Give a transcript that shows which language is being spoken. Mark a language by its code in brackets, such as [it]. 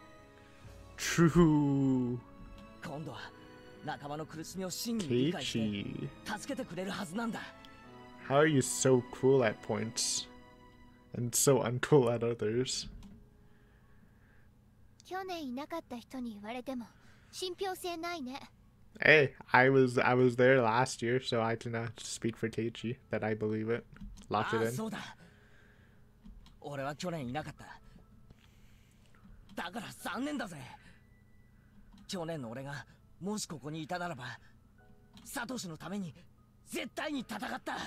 [ja] 昭和57年のことはよくわかった。こいつらが白状だったってこともわかったさ。でもよ、佐藤だって言ったろ。こいつらはみんな自分の罪に気がついた。後悔した。だから今度は違うはずだ。 [en] True。 [ja] 今度は 仲間の苦しみを真に理解して助けてくれるはずなんだ。 [en] How are you so cool at points and so uncool at others? [ja] 去年いなかった人に言われても信憑性ないね。 [en] Hey, I was there last year, so I cannot speak for Keiichi that I believe it. Lock it in. [ja] そうだ。俺は去年いなかった。だから 3年だぜ。去年の俺が もしここにいたならば、サトシのために絶対に戦った。嘘